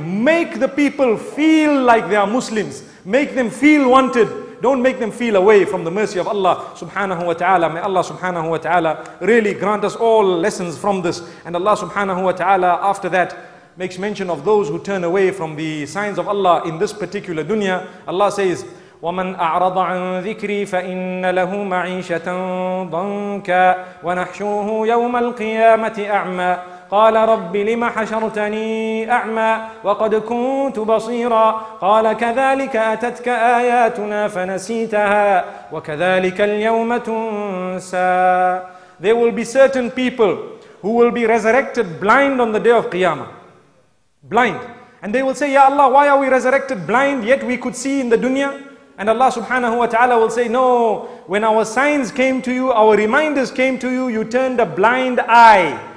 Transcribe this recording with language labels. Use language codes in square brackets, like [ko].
[en] Make the people feel like they are Muslims. Make them feel wanted. Don't make them feel away from the mercy of Allah subhanahu wa ta'ala. May Allah subhanahu wa ta'ala really grant us all lessons from this. And Allah subhanahu wa ta'ala after that makes mention of those who turn away from the signs of Allah in this particular dunya. Allah says, [ar] وَمَنْ أَعْرَضَ عَنْ ذِكْرِي فَإِنَّ لَهُ مَعِيشَةً ضَنْكَ وَنَحْشُوهُ يَوْمَ الْقِيَامَةِ أَعْمَى قال رب لما حشرتني أعمى وقد كنت بصيرا قال كذلك أتتك آياتنا فنسيتها وكذلك اليوم تنسى. [en] There will be certain people who will be resurrected blind on the day of Qiyamah. Blind. And they will say, Ya Allah, why are we resurrected blind yet we could see in the dunya? And Allah subhanahu wa ta'ala will say, no, when our signs came to you, our reminders came to you, you turned a blind eye.